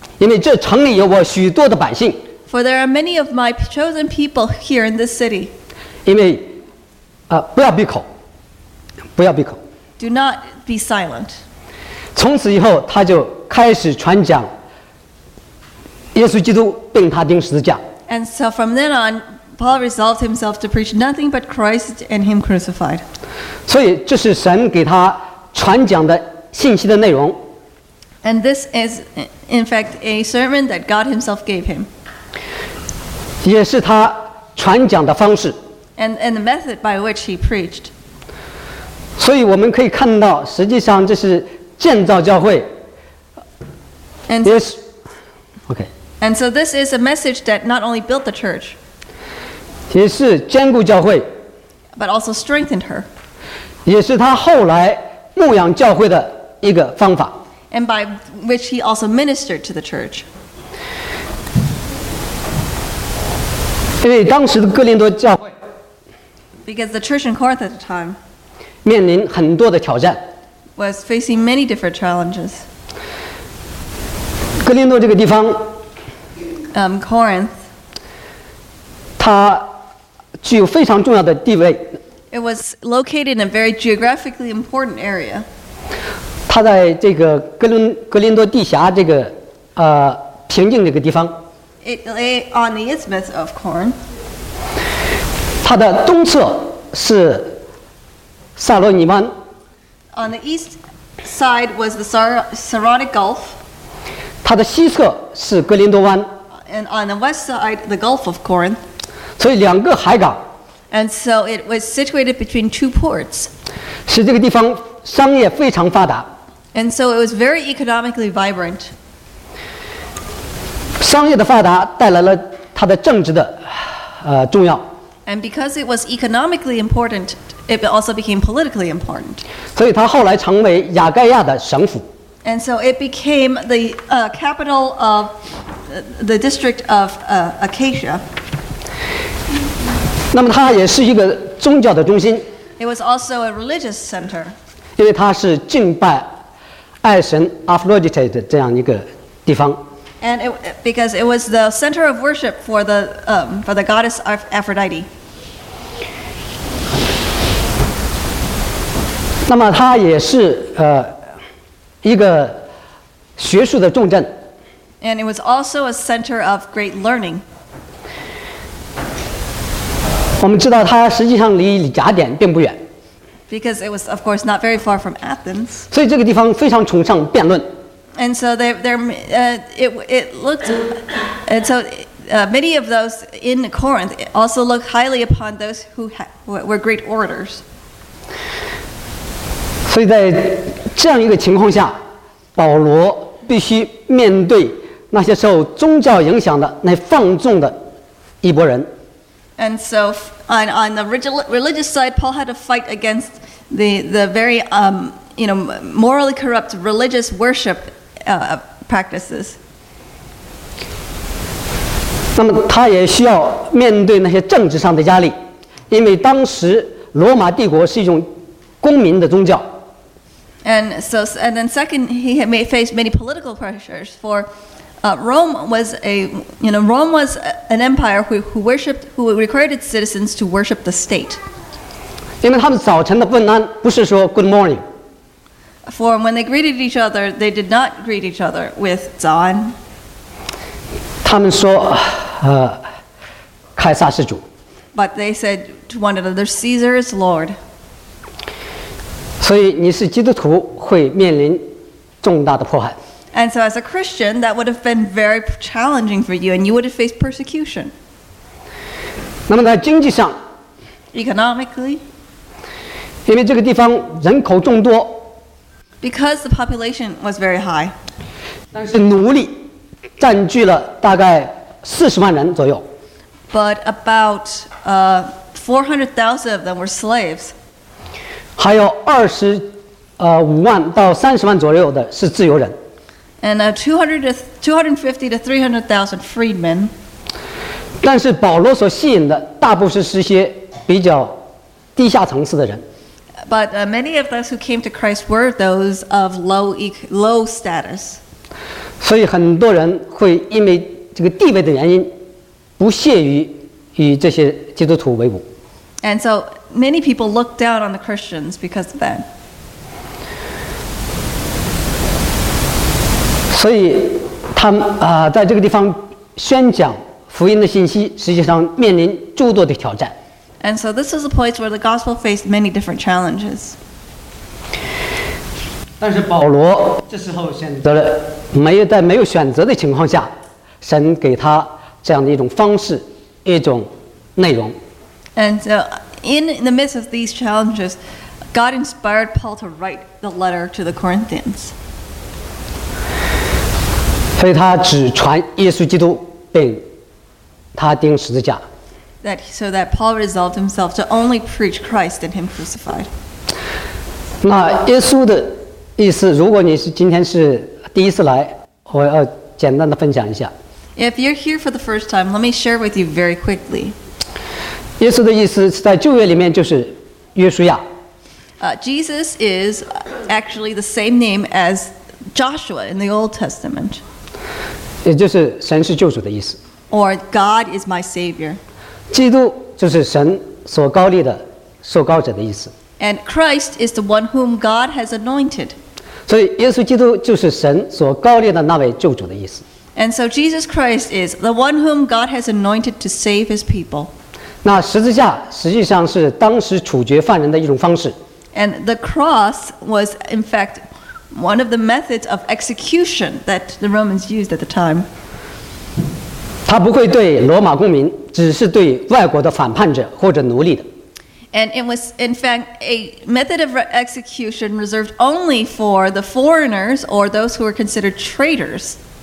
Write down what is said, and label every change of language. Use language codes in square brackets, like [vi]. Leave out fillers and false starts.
[zh] 因为这城里有我许多的百姓。 [en] For there are many of my chosen people here in this city. [zh] 因为，不要闭口。不要闭口。 [en] Do not be silent. [zh] 从此以后，他就开始传讲耶稣基督，并他钉十字架。 [en] And so from then on, Paul resolved himself to preach nothing but Christ and Him crucified. [zh] 所以这是神给他传讲的信息的内容。 [en] And this is, in fact, a sermon that God Himself gave him. [zh] 也是他传讲的方式。 [en] And the method by which he preached. [zh] 所以我们可以看到，实际上这是建造教会。 [en] And yes, okay. And so this is a message that not only built the church, [zh] 也是坚固教会， [en] but also strengthened her. [zh] 也是他后来牧养教会的一个方法。 [en] And by which he also ministered to the church. [zh] 因为当时的哥林多教会， [en] because the church in Corinth at the time. [zh] 面临很多的挑战。 [en] Was facing many different challenges. [zh] 哥林多这个地方。 [en] Corinth. [zh] 它具有非常重要的地位。 [en] It was located in a very geographically important area. [zh] 它在这个哥林多地峡这个平静这个地方。 [en] It lay on the isthmus of Corinth. [zh] 它的东侧是。萨罗尼湾。 [en] On the east side was the Saronic Gulf. [zh] 它的西侧是哥林多湾。 [en] And on the west side, the Gulf of Corinth. [zh] 所以两个海港。 [en] And so it was situated between two ports. [zh] 使这个地方商业非常发达。 [en] And so it was very economically vibrant. [zh] 商业的发达带来了它的政治的重要。 [en] And because it was economically important,It also became politically important. [zh] 所以他后来成为雅盖亚的省府。 [en] And so it became the capital of the district of Acacia. [zh] 那么它也是一个宗教的中心。 [en] It was also a religious center. [zh] 因为它是敬拜爱神 Aphrodite 的这样一个地方。 [en] And because it was the center of worship for the goddess Aphrodite. [zh] 那么它也是一个学术的重镇。 [en] And it was also a center of great learning. [zh] 我们知道它实际上离雅典并不远。 [en] Because it was, of course, not very far from Athens. [zh] 所以这个地方非常崇尚辩论。 [en] And so many of those in Corinth also looked highly upon those who were great orators. [zh] 所以在这样一个情况下，保罗必须面对那些受宗教影响的、那放纵的一波人。 [en] And so on the religious side, Paul had to fight against the very morally corrupt religious worship practices. [zh] 那么他也需要面对那些政治上的压力，因为当时罗马帝国是一种公民的宗教。 [en] And then second, he may face many political pressures for Rome was a, you know, Rome was an empire who required its citizens to worship the state. [zh] 因为他们早晨的问安不是说 [en] good morning. For when they greeted each other, they did not greet each other with [zh] 早安。他们说，凯撒是主。 [en] But they said to one another, Caesar is Lord. [zh] 所以你是基督徒会面临重大的迫害。 [en] And so as a Christian, that would have been very challenging for you, and you would have faced persecution. [zh] 那么在经济上 [en] ，economically， [zh] 因为这个地方人口众多 [en] ，because the population was very high， [zh] 但是奴隶占据了大概400,000人左右。 [en] But about 400,000 of them were slaves. [zh] 还有25,000到30,000左右的是自由人。 [en] And 250,000 to 300,000 freedmen. [zh] 但是保罗所吸引的大部分是些比较低下层次的人。 [en] But many of those who came to Christ were those of low status. [zh] 所以很多人会因为这个地位的原因，不屑于与这些基督徒为伍。 [en] And so. Many people look down on the Christians because of that. [zh] 所以他们在这个地方宣讲福音的信息，实际上面临诸多的挑战。 [en] And so this is a place where the gospel faced many different challenges. [zh] 但是保罗这时候选择了没有在没有选择的情况下，神给他这样的一种方式，一种内容。 [en] And so. In the midst of these challenges, God inspired Paul to write the letter to the Corinthians. [zh] 所以他只传耶稣基督，并他钉十字架。 [en] So that Paul resolved himself to only preach Christ and Him crucified. [zh] 那耶稣的意思，如果你是今天是第一次来，我要简单的分享一下。 [en] If you're here for the first time, let me share with you very quickly. [zh] 耶稣的意思是在旧约里面就是约书亚。 [en] Jesus is actually the same name as Joshua in the Old Testament. [zh] 也就是神是救主的意思。 [en] Or God is my Savior. [zh] 基督就是神所高立的、受高者的意思。 [en] And Christ is the one whom God has anointed. [zh] 所以耶稣基督就是神所高立的那位救主的意思。 [en] And so Jesus Christ is the one whom God has anointed to save His people. [zh] 那十字架实际上是当时处决犯人的一种方式。 [en] And the cross was, in fact, one of the methods of execution that the Romans used at the time. [zh] 它不会对罗马公民，只是对外国的反叛者或者奴隶的。 [en] And it was, in fact, a method of execution reserved only for the foreigners or those who were considered traitors.